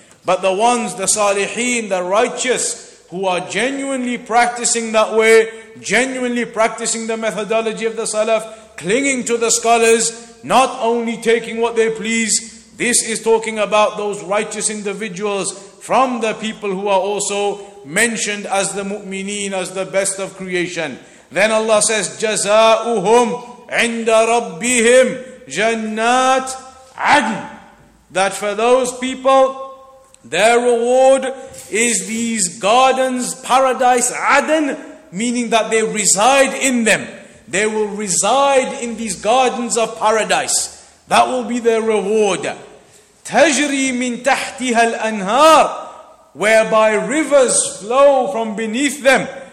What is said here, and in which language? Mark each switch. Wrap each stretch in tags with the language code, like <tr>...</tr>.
<en>But the ones, the Salihin, the righteous, who are genuinely practicing that way, genuinely practicing the methodology of the Salaf, clinging to the scholars, not only taking what they please. This is talking about those righteous individuals from the people who are also mentioned as the mu'mineen, as the best of creation. Then Allah says,</en> <ar>جَزَاؤُهُمْ عِنْدَ رَبِّهِمْ جَنَّاتْ عَدْنِ.</ar> <en>That for those people, their reward is these gardens, paradise, Aden, meaning that they reside in them. They will reside in these gardens of paradise. That will be their reward.</en> <ar>تجري من تحتها الأنهار,</ar> <en>whereby rivers flow from beneath them.</en>